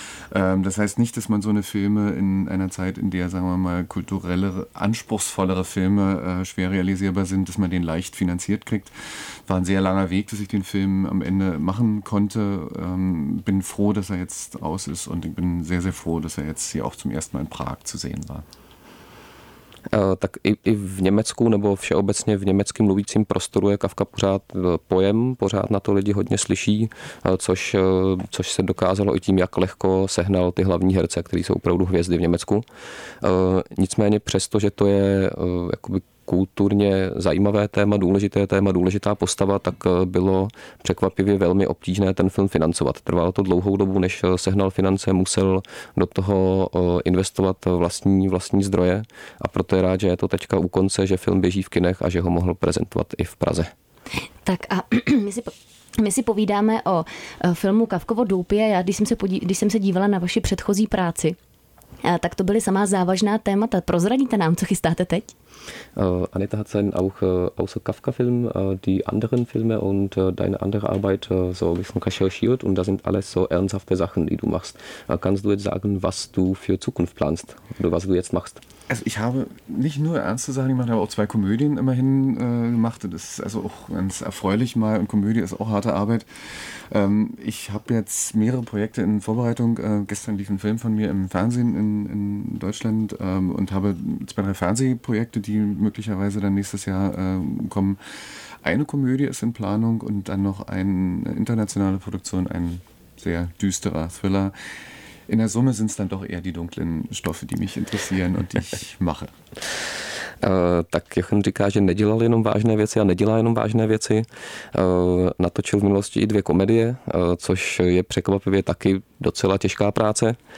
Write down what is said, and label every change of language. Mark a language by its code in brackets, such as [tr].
[de] Das heißt nicht, dass man so eine Filme in einer Zeit, in der, sagen wir mal, kulturellere, anspruchsvollere Filme schwer realisierbar sind, dass man den leicht finanziert kriegt. War ein sehr langer Weg, dass ich den Film am Ende machen konnte. Bin froh, dass er jetzt aus ist und ich bin sehr, sehr froh, dass er jetzt hier auch zum ersten Mal in Prag zu sehen war. [cs] Tak i v Německu nebo všeobecně v německým mluvícím prostoru je Kafka pořád pojem, pořád na to lidi hodně slyší, což se dokázalo i tím, jak lehko sehnal ty hlavní herce, kteří jsou opravdu hvězdy v Německu. Nicméně přesto, že to je jakoby kulturně zajímavé téma, důležité téma, důležitá postava, tak bylo překvapivě velmi obtížné ten film financovat. Trvalo to dlouhou dobu, než sehnal finance, musel do toho investovat vlastní zdroje a proto je rád, že je to teďka u konce, že film běží v kinech a že ho mohl prezentovat i v Praze. Tak a my si povídáme o filmu Kafkovo Doupě. Já když jsem se dívala na vaši předchozí práci, tak to byly samá závažná témata. Prozradíte nám, co chystáte teď? [de] Anita hat seinen auch außer Kafka Film die anderen Filme und deine andere Arbeit so ein bisschen recherchiert und da sind alles so ernsthafte Sachen, die du machst. Kannst du jetzt sagen, was du für Zukunft planst oder was du jetzt machst? Also ich habe nicht nur ernste Sachen gemacht, ich habe auch zwei Komödien immerhin gemacht. Das ist also auch ganz erfreulich mal und Komödie ist auch harte Arbeit. Ich habe jetzt mehrere Projekte in Vorbereitung. Gestern lief ein Film von mir im Fernsehen in Deutschland und habe zwei, drei Fernsehprojekte, die möglicherweise dann nächstes Jahr kommen. Eine Komödie ist in Planung und dann noch eine internationale Produktion, ein sehr düsterer Thriller. In der Summe sind es dann doch eher die dunklen Stoffe, die mich interessieren und die ich mache. [cs] Tak Jochen říká, že nedělal jenom vážné věci a nedělá jenom vážné věci. Natočil v minulosti i dvě komedie, což je překvapivě taky docela těžká práce.